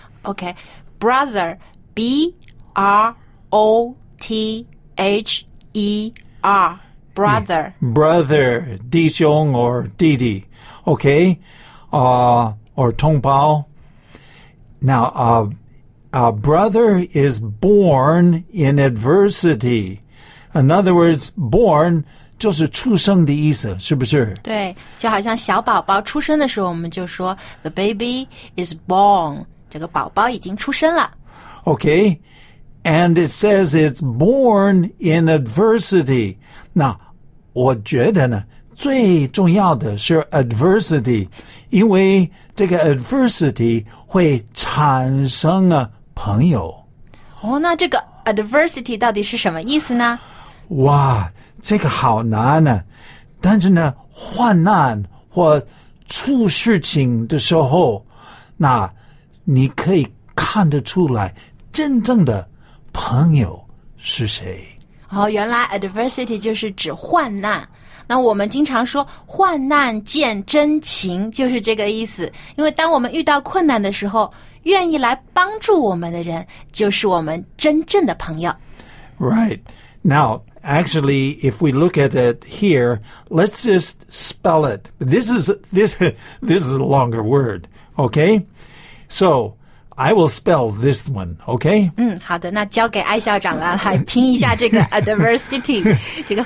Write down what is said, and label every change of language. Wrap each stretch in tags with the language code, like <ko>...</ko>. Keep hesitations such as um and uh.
<en>Okay, brother, B -R -O t h e r brother yeah, brother 弟兄 okay, uh, or 弟弟，OK 啊、uh, or 同胞。 Now a uh, uh, brother is born in adversity. In other words, born.</en> <zh>就是出生的意思，是不是？对，就好像小宝宝出生的时候，我们就说</zh> <en>"The baby is born"，</en> <zh>这个宝宝已经出生了。</zh> <en>o k a and it says it's born in adversity.</en> <zh>那我觉得呢？最重要的是 adversity，因为这个 adversity 会产生啊朋友。哦，那这个 adversity 到底是什么意思呢？哇！这个好难呢、啊，但是呢，患难或出事情的时候，那你可以看得出来，真正的朋友是谁。哦、oh,，原来 adversity 就是指患难。那我们经常说“患难见真情”，就是这个意思。因为当我们遇到困难的时候，愿意来帮助我们的人，就是我们真正的朋友。</zh> <en>Right now. actually, if we look at it here, let's just spell it. This is this this is a longer word. Okay, so I will spell this one. Okay.</en> <zh>嗯，好的，那交给艾校长了，来拼一下这个 adversity</zh>